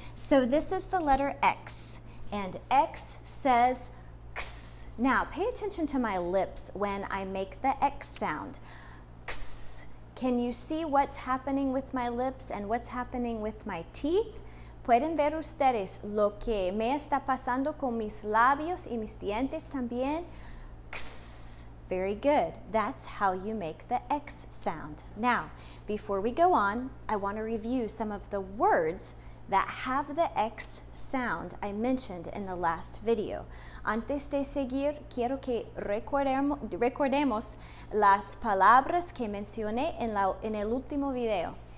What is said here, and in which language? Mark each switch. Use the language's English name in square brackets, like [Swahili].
[English] So this is the letter X, and X says X. Now, pay attention to my lips when I make the X sound. X. Can you see what's happening with my lips and what's happening with my teeth? [Spanish] ¿Pueden ver ustedes lo que me está pasando con mis labios y mis dientes también? [English] X. Very good. That's how you make the X sound. Now, before we go on, I want to review some of the words that have the X sound I mentioned in the last video. [Spanish] Antes de seguir, quiero que recordemos las palabras que mencioné en el último video.